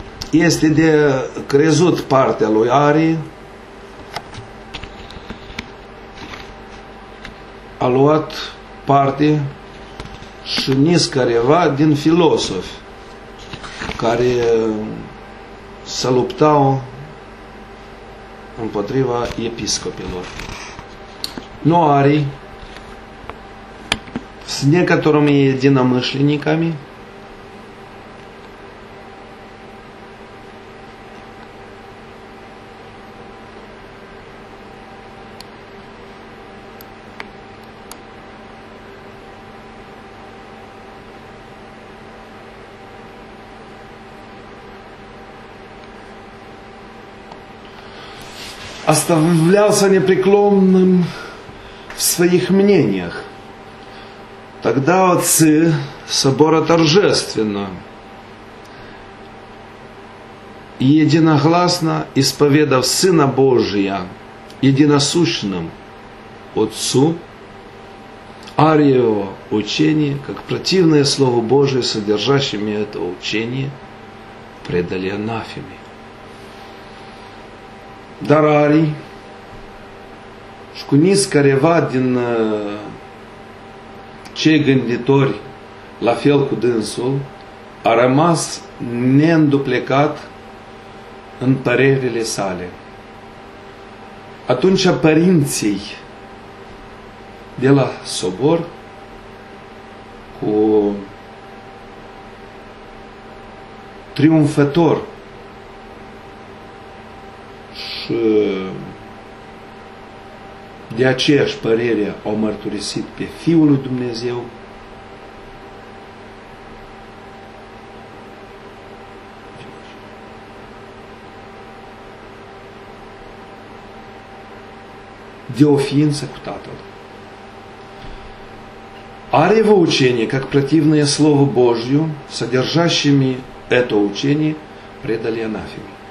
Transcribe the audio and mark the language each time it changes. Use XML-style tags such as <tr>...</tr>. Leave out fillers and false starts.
<ro>Este de crezut partea lui Arii, a luat parte și niscareva din filosofi care se luptau împotriva episcopilor.</ro> <ru>Но Арий с некоторыми единомышленниками оставлялся непреклонным в своих мнениях. Тогда отцы собора торжественно и единогласно исповедав Сына Божия единосущным Отцу, Ариево учение, как противное Слову Божие, содержащими это учение, предали анафеме.</ru> <ro>Dar Arii și cu niscareva din cei gânditori, la fel cu dânsul, a rămas neînduplecat în părerile sale. Atunci părinții de la sobor, cu triumfător, de aceeași părere au mărturisit pe Fiul lui Dumnezeu de o ființă cu Tatăl.</ro> <ru>Are vă учение, как противное Слову Божию, содержащими это учение, предали анафеме.</ru>